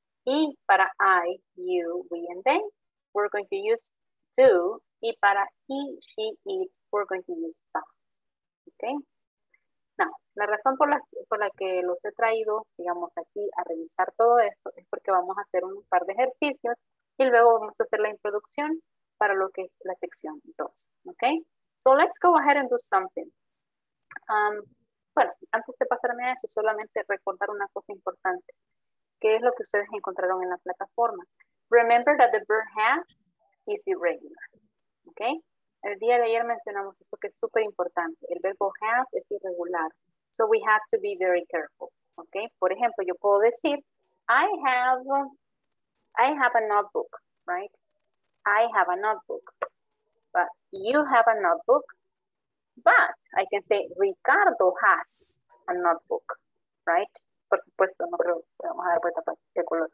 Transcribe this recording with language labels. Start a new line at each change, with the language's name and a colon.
Spanish: Y para
English: I, you, we, and they, we're going to use do.
Spanish: Y para
English: he, she, it, we're going to use does. Okay?
Spanish: Now, la razón por la que los he traído, digamos, aquí a revisar todo esto es porque vamos a hacer un par de ejercicios y luego vamos a hacer la introducción para lo que es la sección 2. Okay?
English: So let's go ahead and do something.
Spanish: Bueno, antes de pasarme a eso, solamente recordar una cosa importante. ¿Qué es lo que ustedes encontraron en la plataforma?
English: Remember that the verb have is irregular.
Spanish: Okay. El día de ayer mencionamos esto que es súper importante. El verbo have es irregular.
English: So we have to be very careful.
Spanish: Okay. Por ejemplo, yo puedo decir, I have
English: I have a notebook, right? I have a notebook. But you have a notebook. But I can say Ricardo has a notebook, right?
Spanish: Por supuesto, no creo que vamos a dar vuelta de color.